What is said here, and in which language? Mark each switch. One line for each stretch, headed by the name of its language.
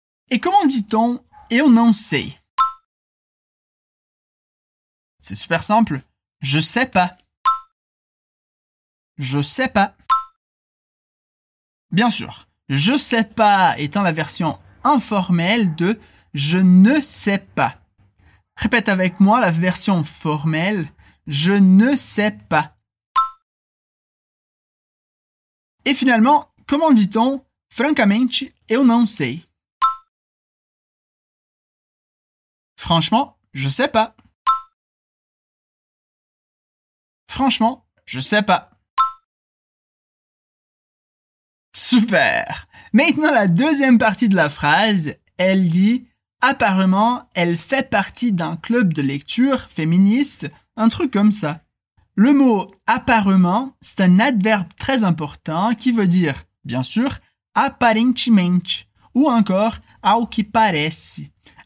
French: Et comment dit-on «
Portuguese: eu não sei » ?
French: C'est super simple, « je sais pas ». Je sais pas. Bien sûr, « je sais pas » étant la version informelle de « je ne sais pas ». Répète avec moi la version formelle « je ne sais pas ». Et finalement, comment dit-on «
Portuguese: francamente, eu não sei ».
French: Franchement, je sais pas. Franchement, je sais pas. Super! Maintenant, la deuxième partie de la phrase, elle dit « Apparemment, elle fait partie d'un club de lecture féministe, un truc comme ça. » Le mot « apparemment », c'est un adverbe très important qui veut dire, bien sûr, « apparentemente » ou encore «
Portuguese: ao que parece ».